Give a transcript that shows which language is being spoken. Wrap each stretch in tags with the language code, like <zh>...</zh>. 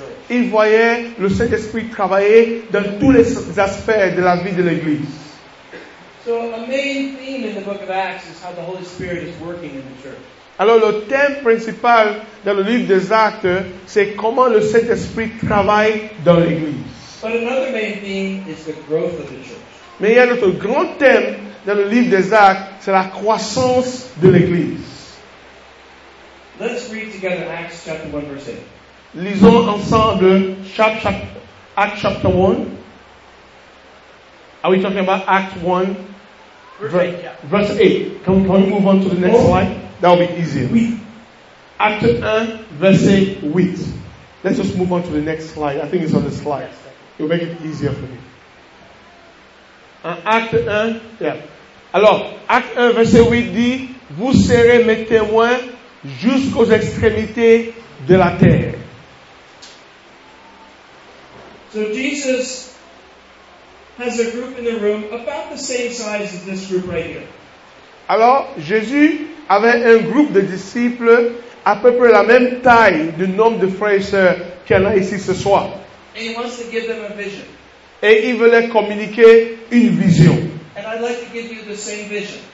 <fr>Ils voyaient le Saint-Esprit travailler dans tous les aspects de la vie de l'Église. Alors, le thème principal dans le livre des Actes, c'est comment le Saint-Esprit travaille dans l'Église.</fr> <en>But another main theme is the growth of the church.</en> <fr>Mais il y a un autre grand thème dans le livre des Actes, c'est la croissance de l'Église.</fr> <en>Let's read together Acts chapter 1, verse 8.</en> <fr>Lisons ensemble</fr> <en>Acts chapter 1. Are we talking about Acts 1? Verse 8. Yeah. Verse 8. Can we move on to the next slide? That will be easier.</en> <fr>Oui.</fr> <en>Acts 1, verse 8. Let's just move on to the next slide. I think it's on the slide. Yes, it will make it easier for me. Acte 1, yeah.</en> <fr>Alors, acte 1, verset 8 dit, vous serez mes témoins jusqu'aux extrémités de la terre.</fr> <en>So Jesus has a group in the room about the same size as this group right here.</en> <fr>Alors, Jésus avait un groupe de disciples à peu près la même taille du nombre de frères et sœurs qu'il y en a ici ce soir.</fr> <en>And he wants to give them a vision.</en> <fr>Et il voulait communiquer une vision.</fr> <en>And I'd like to give you the same vision.</en>